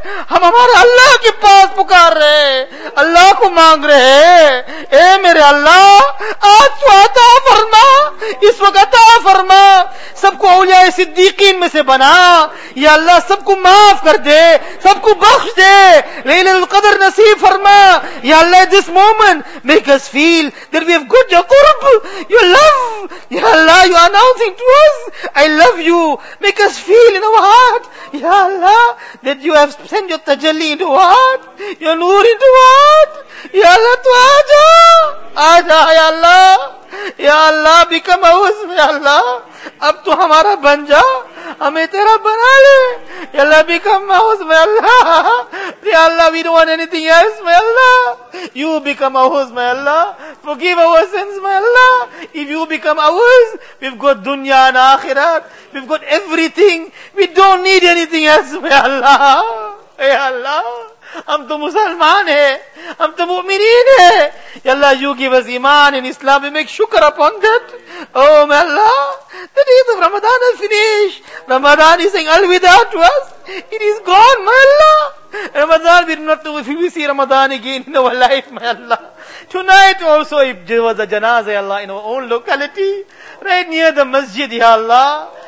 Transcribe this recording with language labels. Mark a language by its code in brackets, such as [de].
[ur] ہم ہمارے اللہ کے پاس پکار رہے اللہ کو مانگ رہے اے میرے اللہ آج تو عطا فرما اس وقت عطا فرما سب کو اولیاء صدیقین میں سے بنا یا اللہ سب کو معاف کر دے سب کو بخش دے لیلۃ القدر نصیب فرما یا اللہ [en] this moment make us feel that we have good your قرب your love [ur] یا اللہ [en] you are announcing to us I love you Make us feel in our heart, Ya Allah, that you have sent your tajalli into what? Your noor into what? Ya Allah, [ur] tu aja! Aja, [en] Ya Allah! Ya Allah, become ours, Ya Allah! [ur] Ab tu hamara banja! Hame tera bana le! [en] Ya Allah, become ours, Ya Allah! Ya Allah, we don't want anything else, Ya Allah! You become ours, Ya Allah! Forgive our sins, Ya Allah! If you become ours, we've got dunya and akhirat, we've got everything, we don't need anything else, Ya Allah! Ya Allah! [ur] ہم تو مسلمان ہیں, ہم تو مؤمنین ہیں. [en] Ya Allah, you give us iman in Islam, we make shukr upon that. Oh my Allah, the days of Ramadan are finished. Ramadan is saying alwida to us. It is gone, my Allah. Ramadan, we do not know if we see Ramadan again in our life, my Allah. Tonight also, if there was a janazah, Ya Allah, in our own locality, right near the masjid, Ya Allah.